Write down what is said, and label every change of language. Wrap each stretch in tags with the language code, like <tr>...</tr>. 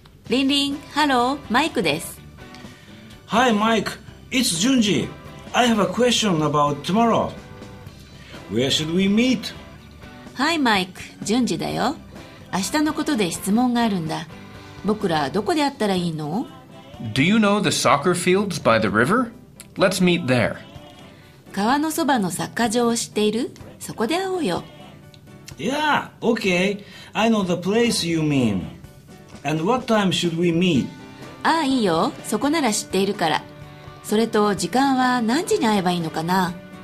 <en>Ring ring, hello, Mike です。 Hi Mike, it's Junji. I have a question about tomorrow. Where should we meet? Hi Mike, Junji だよ。</en> <ja>明日のことで質問があるんだ。僕らどこで会ったらいいの?</ja> <en>Do you know the soccer fields by the river? Let's meet there.</en> <ja>川のそばのサッカー場を知っている? そこで会おうよ。</ja> <en>Yeah, okay. I know the place you mean. And what time should we meet?</en> <ja>ああ、いいよ。そこなら知っているから。それと時間は何時に会えばいいのかな?</ja>